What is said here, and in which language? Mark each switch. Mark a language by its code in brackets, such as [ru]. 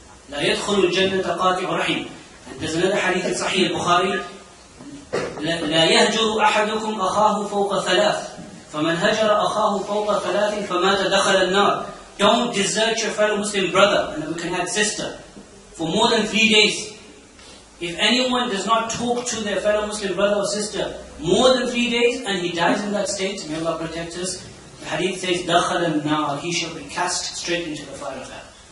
[ar] لا يدخل الجنة قاطع الرحم. [en] There's another hadith in Sahih al-Bukhari. [ar] لا يهجر أحدكم أخاه فوق ثلاث. فمن هجر أخاه فوق ثلاث فمات دخل النار. [en] Don't desert your fellow Muslim brother, and we can have sister, for more than 3 days. If anyone does not talk to their fellow Muslim brother or sister more than 3 days, and he dies in that state, may Allah protect us. The hadith says, [ar] دخل النار, [en] he shall be cast straight into the fire of hell.